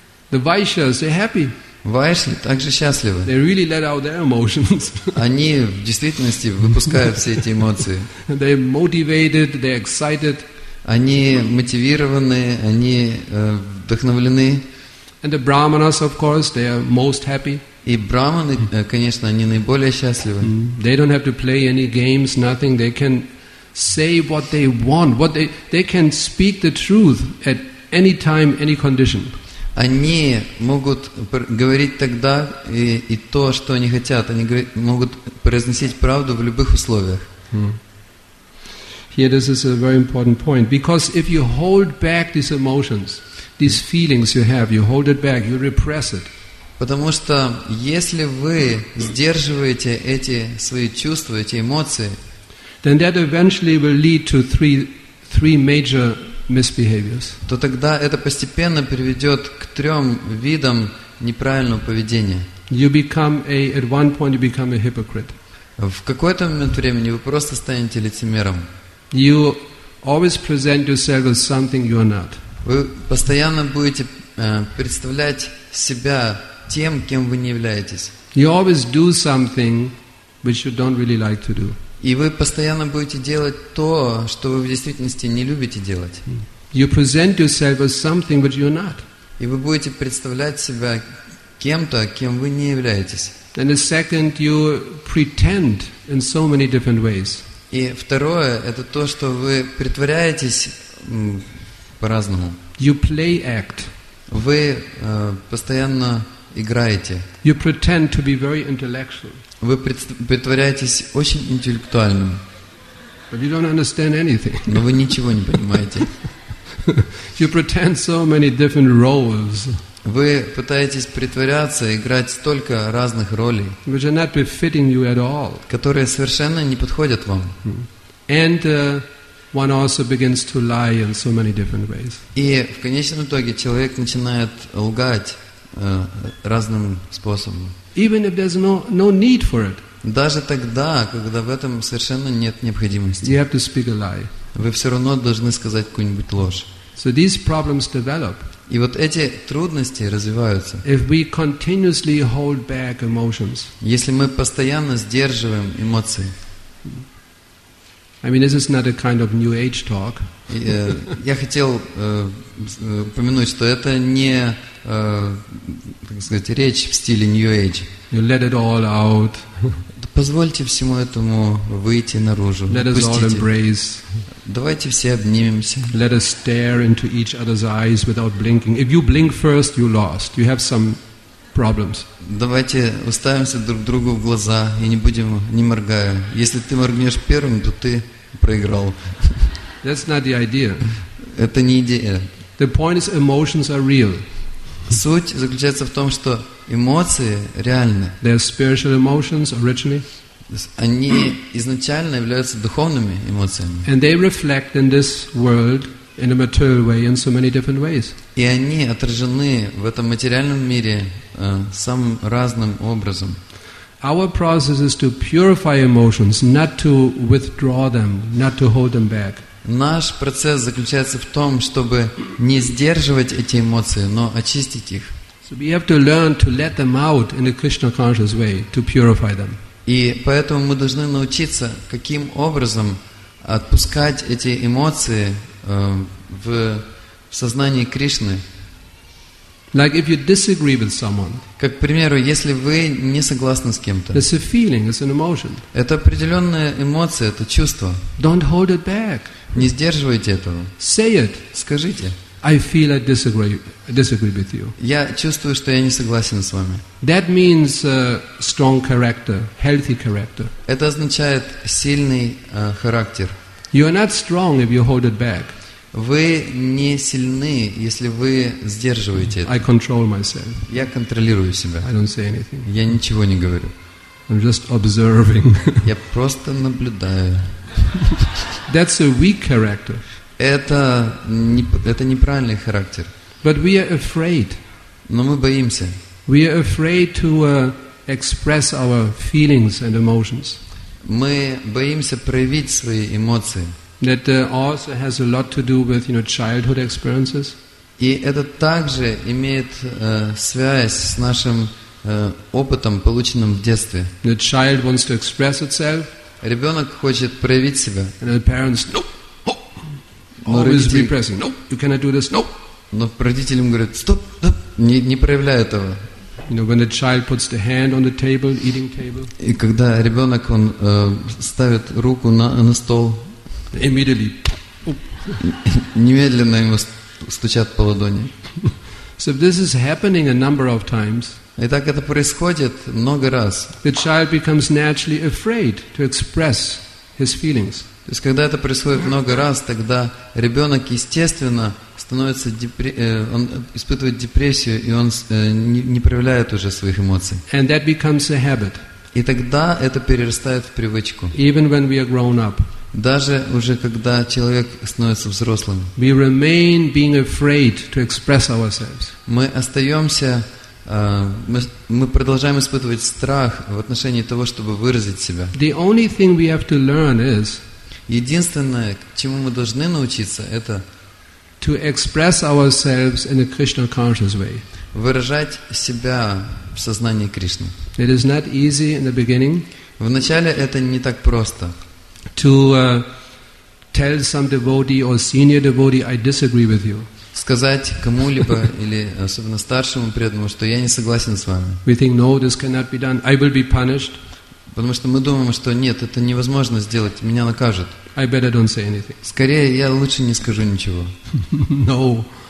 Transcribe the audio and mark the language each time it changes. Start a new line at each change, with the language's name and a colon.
English: The Vaishyas, they're happy.
Russian: Вайшны также счастливы.
English: They really let out their emotions.
Russian: Они в действительности выпускают все эти эмоции.
English: They're motivated, they're excited.
Russian: Они мотивированы, они вдохновлены.
English: And the brahmanas, of course, they are most happy.
Russian: И брахманы, конечно, они наиболее счастливы. Mm-hmm.
English: They don't have to play any games, nothing. They can say what they want. What they can speak the truth at any time, any condition.
Russian: Они могут говорить тогда и то, что они хотят. Они могут произносить правду в любых условиях.
English: Here, this is a very important point. Because if you hold back these emotions, these feelings you have, you hold it back, you repress it.
Russian: Потому что если вы сдерживаете эти свои чувства, эти эмоции,
English: then that eventually will lead to three major misbehaviors.
Russian: То тогда это постепенно приведет к трем видам неправильного поведения.
English: You become at one point you become a hypocrite.
Russian: В какой-то момент времени вы просто станете лицемером.
English: You always present yourself as something you are not.
Russian: Вы постоянно будете представлять себя тем, кем вы не являетесь.
English: You always do something which you don't really like to do.
Russian: И вы постоянно будете делать то, что вы в действительности не любите делать.
English: You present yourself as something which you're not.
Russian: И вы будете представлять себя кем-то, кем вы не являетесь.
English: And the second, you pretend in so many different ways.
Russian: И второе, это то, что вы притворяетесь по-разному.
English: You play act.
Russian: Вы постоянно играете.
English: You pretend to be very intellectual.
Russian: Вы притворяетесь очень интеллектуальным.
English: But you don't understand anything.
Russian: Но вы ничего не понимаете.
English: You pretend so many different roles.
Russian: Вы пытаетесь притворяться, играть столько разных ролей,
English: which are not befitting you at all.
Russian: Которые совершенно не подходят вам.
English: And one also begins to lie in so many different ways.
Russian: И в конечном итоге человек начинает лгать разным способом.
English: Even if there's no need for it.
Russian: Даже тогда, когда в этом совершенно нет необходимости.
English: You have to speak a lie.
Russian: Вы все равно должны сказать какую-нибудь ложь.
English: So these problems develop.
Russian: И вот эти трудности развиваются.
English: If we continuously hold back emotions.
Russian: Если мы постоянно сдерживаем эмоции.
English: I mean, this is not a kind of new age talk.
Russian: Я хотел упомянуть, что это не, так сказать, речь в стиле New Age.
English: You let it all out.
Russian: Позвольте всему этому выйти наружу.
English: Let us all embrace.
Russian: Давайте все обнимемся.
English: Let us stare into each other's eyes without blinking. If you blink first, you lost. You have some problems.
Russian: Давайте уставимся друг другу в глаза и не будем не моргая. Если ты моргнешь первым, то ты проиграл.
English: That's not the idea.
Russian: Это не идея.
English: The point is emotions are real.
Russian: Суть заключается в том, что эмоции реальны.
English: They are spiritual emotions originally.
Russian: Они изначально являются духовными эмоциями.
English: And they reflect in this world in a material way in so many different ways.
Russian: И они отражены в этом материальном мире самым разным образом.
English: Our process is to purify emotions, not to withdraw them, not to hold them back.
Russian: Наш процесс заключается в том, чтобы не сдерживать эти эмоции, но очистить их.
English: So we have to learn to let them out in a Krishna conscious way, to purify them.
Russian: И поэтому мы должны научиться, каким образом отпускать эти эмоции в сознании Кришны.
English: Like if you disagree with someone.
Russian: Как, к примеру, если вы не согласны с кем-то.
English: It's a feeling, it's an emotion.
Russian: Это определенная эмоция, это чувство.
English: Don't hold it back.
Russian: Не сдерживайте этого.
English: Say it.
Russian: Скажите.
English: I feel I disagree with you.
Russian: Я чувствую, что я не согласен с вами.
English: That means strong character, healthy character.
Russian: Это означает сильный характер.
English: You are not strong if you hold it back.
Russian: Вы не сильны, если вы сдерживаете это.
English: I control myself.
Russian: Я контролирую себя.
English: I don't say anything.
Russian: Я ничего не говорю.
English: I'm just observing.
Russian: Я просто наблюдаю.
English: That's a weak character.
Russian: Это неправильный характер.
English: But we are afraid.
Russian: Но мы боимся.
English: We are afraid to express our feelings and emotions.
Russian: Мы боимся проявить свои эмоции.
English: That also has a lot to do with, you know, childhood experiences.
Russian: И это также имеет связь с нашим опытом, полученным в детстве.
English: The child wants to express itself.
Russian: Ребенок хочет проявить себя.
English: And the parents, no. Always repressing. No, you cannot do this. No.
Russian: Но родителям говорят, стоп, стоп, не проявляй этого.
English: You know, when a child puts the hand on the table, eating table.
Russian: И когда ребенок он ставит руку на стол.
English: Immediately.
Russian: Немедленно ему стучат по ладони.
English: So this is happening a number of times.
Russian: И так это происходит много раз.
English: The child becomes naturally afraid to express his feelings.
Russian: То есть, когда это происходит много раз, тогда ребенок, естественно, становится он испытывает депрессию, и он не проявляет уже своих эмоций.
English: And that becomes a habit.
Russian: И тогда это перерастает в привычку.
English: Even when we are grown up.
Russian: Даже уже когда человек становится взрослым.
English: We remain being afraid to express ourselves.
Russian: Мы продолжаем испытывать страх в отношении того, чтобы выразить себя.
English: The only thing we have to learn is
Russian: единственное, чему мы должны научиться, это
English: to express ourselves in a Krishna conscious way.
Russian: Выражать себя в сознании Кришны.
English: It is not easy in the beginning.
Russian: Вначале это не так просто.
English: To tell some devotee or senior devotee, I disagree with you.
Russian: Сказать кому-либо или особенно старшему преданному, что я не согласен с вами.
English: We think no, this cannot be done. I will be punished.
Russian: Потому что мы думаем, что нет, это невозможно сделать, меня накажут.
English: I better don't say anything.
Russian: Скорее, я лучше не скажу ничего.
English: No.